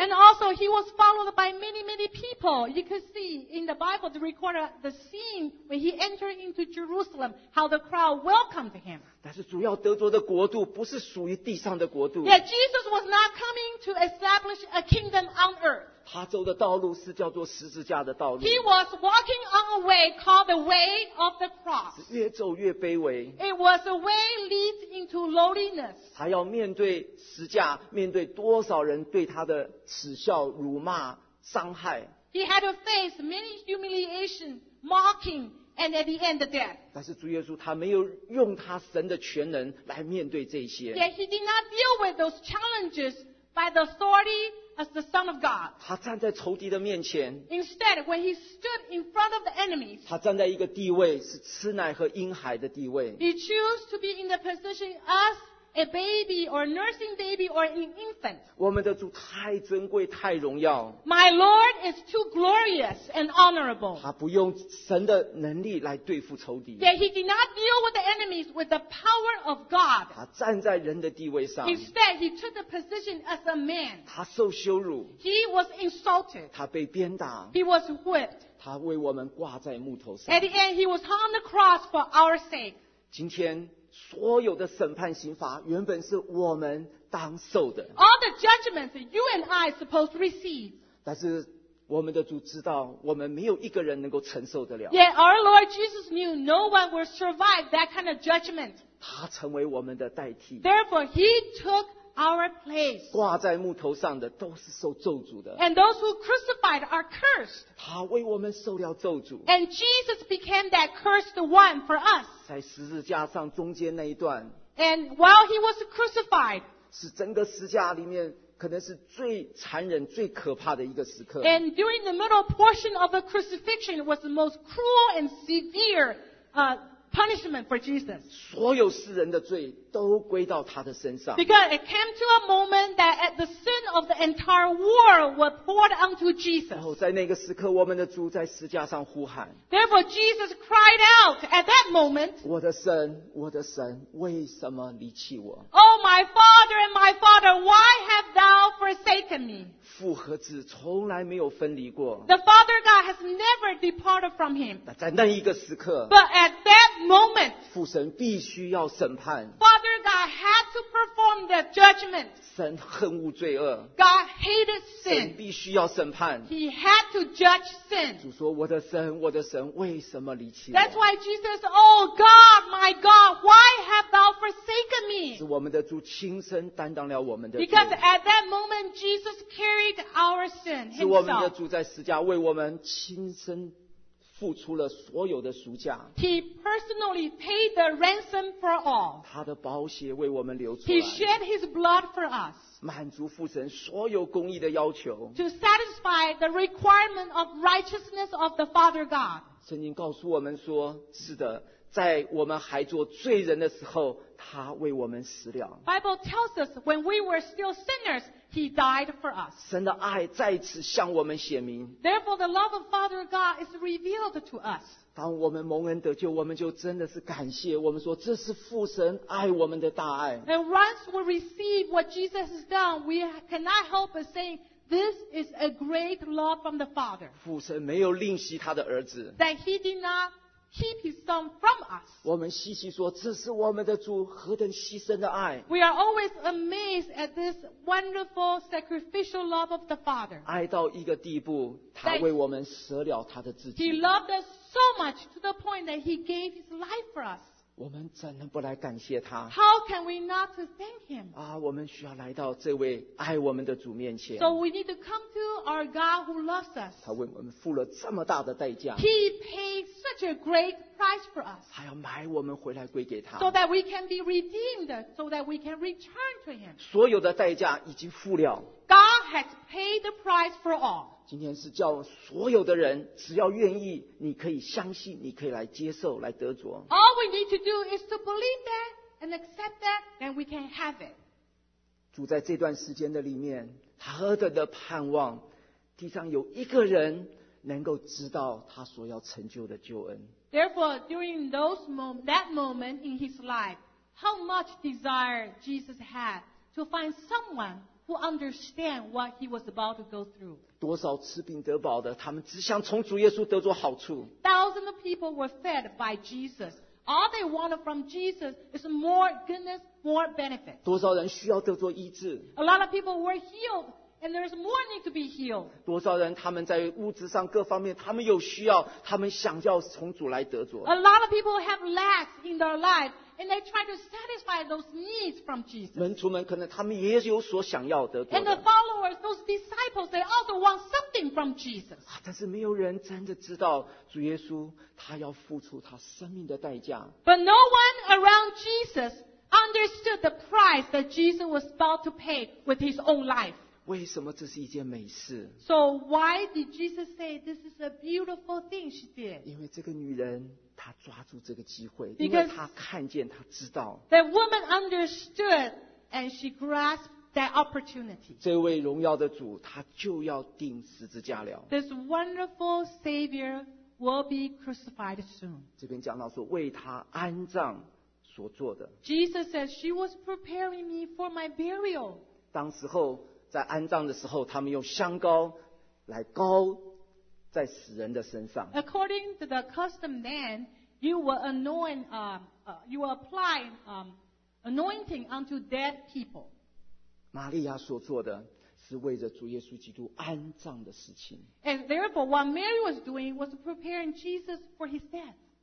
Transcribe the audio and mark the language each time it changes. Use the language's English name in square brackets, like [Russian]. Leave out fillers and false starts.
[English] And also, he was followed by many, many people. You can see in the Bible, they recorded the scene when he entered into Jerusalem, how the crowd welcomed him. [Chinese] 但是主要得着的国度不是属于地上的国度。 [English] Yet Jesus was not coming to establish a kingdom on earth. [Chinese] 他走的道路是叫做十字架的道路。 [English] He was walking on a way called the way of the cross. [Chinese] 越走越卑微。 [English] It was a way leads into lowliness. [Chinese] 他要面对十字架，面对多少人对他的耻笑、辱骂、伤害。 [English] He had to face many humiliation, mocking, and at the end of death. [Chinese] 但是主耶稣他没有用他神的全能来面对这些。 [English] Yet he did not deal with those challenges by the authority. As the Son of God. [Chinese] 他站在仇敌的面前。 [English] Instead, when he stood in front of the enemies, [Chinese] 他站在一个地位是吃奶和婴孩的地位。 [English] He chose to be in the position as a baby or a nursing baby or an infant. [Chinese] 我们的主太尊贵太荣耀。 [English] My Lord is too glorious and honorable. [Chinese] 他不用神的能力来对付仇敌。 [English] Yet he did not deal with the enemies with the power of God. [Chinese] 他站在人的地位上。 [English] Instead, he took the position as a man. [Chinese] 他受羞辱。 [English] He was insulted. [Chinese] 他被鞭打。 [English] He was whipped. [Chinese] 他为我们挂在木头上。 [English] At the end, he was hung on the cross for our sake. [Chinese] 今天所有的审判刑罚原本是我们当受的。 [English] All the judgments you and I supposed to receive. [Chinese] 但是我们的主知道我们没有一个人能够承受得了。 [English] Yet our Lord Jesus knew no one will survive that kind of judgment. [Chinese] 他成为我们的代替。 [English] Therefore, he took our place. [Chinese] 挂在木头上的都是受咒诅的。 [English] And those who crucified are cursed. [Chinese] 他为我们受了咒诅。 [English] And Jesus became that cursed one for us. [Chinese] 在十字架上中间那一段 [English] And while he was crucified, [Chinese] 是整个十字架里面可能是最残忍最可怕的一个时刻 [English] And during the middle portion of the crucifixion was the most cruel and severe punishment for Jesus. [Chinese] 所有世人的罪都归到他的身上。 [English] Because it came to a moment that at the sin of the entire world were poured onto Jesus. [Chinese] 然后在那个时刻，我们的主在十字架上呼喊。 [English] Therefore, Jesus cried out at that moment. [Chinese] 我的神，我的神，为什么离弃我 [English] ？Oh, my Father and my Father, why have thou forsaken me? [Chinese] 父和子从来没有分离过。 [English] The Father God has never departed from him. [Chinese] 在那一个时刻。 [English] But at that moment, [Chinese] 父神必须要审判。 [English] Father God had to perform the judgment. [Chinese] 神恨恶罪恶。 [English] God hated sin. [Chinese] 神必须要审判。 [English] He had to judge sin. [Chinese] 主说：“我的神，我的神，为什么离弃我？” [English] That's why Jesus, "Oh God, my God, why have thou forsaken me?" [Chinese] 是我们的主亲身担当了我们的罪。 [English] Because at that moment, Jesus carried our sin himself. [Chinese] 是我们的主在十字架为我们亲身。付出了所有的赎价。 [English] He personally paid the ransom for all. [Chinese] 他的宝血为我们流出来。 [English] He shed his blood for us. [Chinese] 满足父神所有公义的要求。 [English] To satisfy the requirement of righteousness of the Father God. [Chinese] 圣经告诉我们说，是的，在我们还做罪人的时候，他为我们死了。 [English] Bible tells us when we were still sinners, he died for us. [Chinese] 神的爱再次向我们显明。 [English] Therefore, the love of Father God is revealed to us. [Chinese] 当我们蒙恩得救，我们就真的是感谢。我们说，这是父神爱我们的大爱。 [English] And once we receive what Jesus has done, we cannot help but saying,This is a great law from the Father. [Chinese] 父神没有吝惜他的儿子。 [English] That he did not keep his son from us. [Chinese] 我们细细说，这是我们的主何等牺牲的爱。 [English] We are always amazed at this wonderful sacrificial love of the Father. [Chinese] 爱到一个地步，他为我们舍了他的自己。 [English] He loved us so much to the point that he gave his life for us. [Chinese] 我们怎能不来感谢他？ [English] How can we not to thank him? [Chinese] 啊，我们需要来到这位爱我们的主面前。 [English] So we need to come to our God who loves us. [Chinese] 他为我们付了这么大的代价。 [English] He paid such a great price for us. [Chinese] 他要买我们回来归给他。 [English] So that we can be redeemed, so that we can return to him. [Chinese] 所有的代价已经付了。 [English] God has paid the price for all. [Chinese] 今天是叫所有的人，只要愿意，你可以相信，你可以来接受，来得着。 [English] All we need to do is to believe that and accept that, then we can have it. [Chinese] 主在这段时间的里面，他何等的盼望，地上有一个人能够知道他所要成就的救恩。 [English] Therefore, during those moment, that moment in his life, how much desire Jesus had to find someone. Who understand what he was about to go through? [Chinese] 多少吃饼得饱的，他们只想从主耶稣得着好处。 [English] Thousands of people were fed by Jesus. All they wanted from Jesus is more goodness, more benefit. [Chinese] 多少人需要得着医治。 [English] A lot of people were healed, and there is more need to be healed. [Chinese] 多少人他们在物质上各方面，他们有需要，他们想要从主来得着。 [English] A lot of people have lack in their life. And they try to satisfy those needs from Jesus. [Chinese] 门徒们可能他们也有所想要得到的。 [English] And the followers, those disciples, they also want something from Jesus. [Chinese] 但是没有人真的知道主耶稣他要付出他生命的代价。 [English] But no one around Jesus understood the price that Jesus was about to pay with his own life. [Chinese] 为什么这是一件美事？ [English] So why did Jesus say this is a beautiful thing she did? [Chinese] 因为这个女人他抓住这个机会，因为他看见，他知道。 [English] The woman understood and she grasped that opportunity. [Chinese] 这位荣耀的主，他就要钉十字架了。 [English] This wonderful Savior will be crucified soon. [Chinese] 这边讲到说，为他安葬所做的。 [English] Jesus said she was preparing me for my burial. [Chinese] 当时候在安葬的时候，他们用香膏来膏。在死人的身上。 [English] According to the custom then, you will anoint, you will apply, anointing unto dead people. [Chinese] 玛利亚所做的是为着主耶稣基督安葬的事情。 [English] And therefore, what Mary was doing was preparing Jesus for his death.